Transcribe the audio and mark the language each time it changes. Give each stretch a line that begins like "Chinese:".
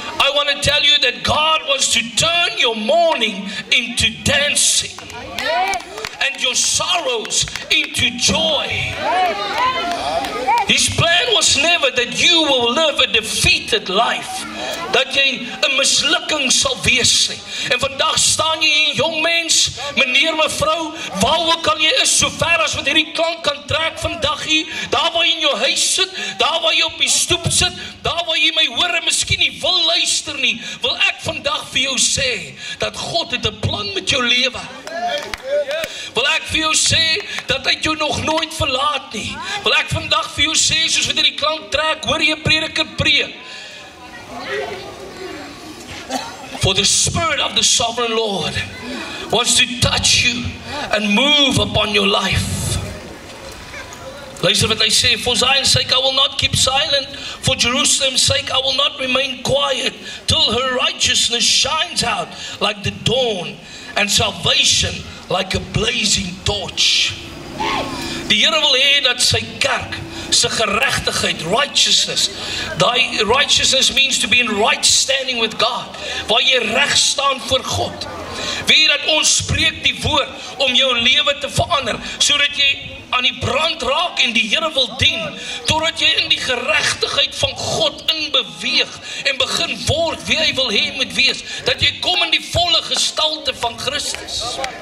English: I want to tell you that God wants to turn your mourning into dancing and your sorrows into joy. His plan was never that you will live a defeated life,
Afrikaans: dat jy 'n mislukking sal wees nie. En vandag staan jy hier, jong mens, meneer, mevrou, waar ook al jy is, so ver as wat hierdie klank kan trek vandag hier, daar waar jy in jou huis sit, daar waar jy op die stoep sit, daar waar jy my hoor en miskien nie wil luister nie, wil ek vandag vir jou sê, dat God het 'n plan met jou lewe. Wil ek vir jou sê, dat hy jou nog nooit verlaat nie. Wil ek vandag vir jou sê, soos wat hierdie klank trek, hoor jy prediker preek.
English: For the spirit of the sovereign Lord wants to touch you and move upon your life. Listen what they say. For Zion's sake I will not keep silent. For Jerusalem's sake I will not remain quiet till her righteousness shines out like the dawn and salvation like a blazing torch.
Afrikaans: Die Here wil hê dat sy kerk sy geregtigheid, righteousness.
English: Die righteousness means to be in right standing with God.
Afrikaans: Waar jy reg staan voor God. Wie dat ons spreek die woord om jou lewe te verander, sodat jy aan die brand raak en die Here wil dien, totdat jy in die geregtigheid van God inbeweeg en begin word wie hy wil hê moet wees, dat jy kom in die volle gestalte van Christus.